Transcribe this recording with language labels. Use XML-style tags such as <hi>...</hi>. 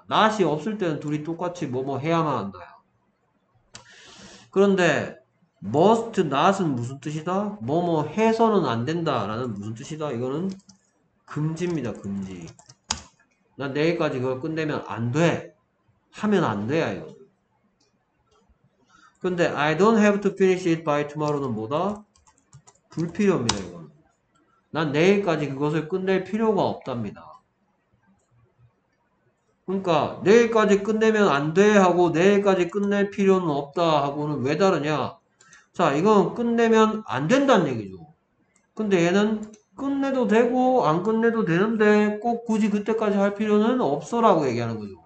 <ko>not이 없을 때는 둘이 똑같이 뭐뭐 해야만 한다야. 그런데 must not은 무슨 뜻이다? 뭐뭐 해서는 안 된다라는 무슨 뜻이다? 이거는 금지입니다, 금지. 난 내일까지 그걸 끝내면 안 돼. 하면 안 돼야 이거. 근데</ko> <en>I don't have to finish it by tomorrow는</en> <ko>뭐다? 불필요합니다, 이건. 난 내일까지 그것을 끝낼 필요가 없답니다. 그러니까 내일까지 끝내면 안돼 하고 내일까지 끝낼 필요는 없다 하고는 왜 다르냐? 자, 이건 끝내면 안 된다는 얘기죠. 근데 얘는 끝내도 되고 안 끝내도 되는데 꼭 굳이 그때까지 할 필요는 없어라고 얘기하는 거죠.</ko>